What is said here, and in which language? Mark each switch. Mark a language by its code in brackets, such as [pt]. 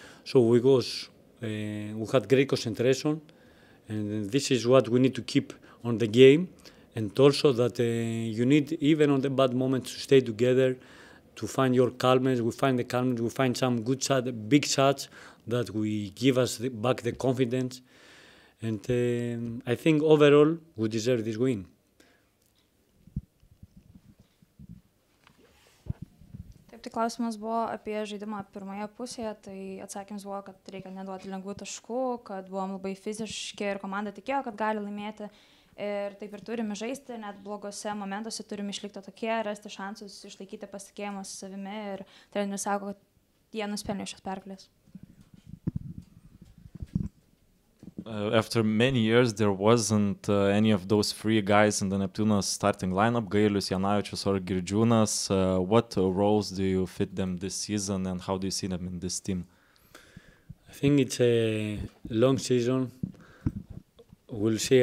[en] So we had great concentration, and this is what we need to keep on the game, and also that you need, even on the bad moments, to stay together, to find your calmness. We find the calmness, we find some good shots, big shots that we give us back the confidence. And I think overall, we deserve this win. [lt] Tai klausimas buvo apie žaidimą pirmoje pusėje, tai atsakymas buvo, kad reikia neduoti lengvų taškų, kad buvom labai fiziški ir komanda tikėjo, kad gali laimėti. Ir taip ir turime žaisti, net blogose momentuose turime išlikti tokie, rasti šansus, išlaikyti pasitikėjimą su savimi. Ir treneris sako, kad jie nusipelnė šios pergalės. [en] After many years, there wasn't any of those three guys in the Neptūnas starting lineup, Gailius, Janavičius or Girdžiūnas. What roles do you fit them this season and how do you see them in this team? I think it's a long season. We'll see.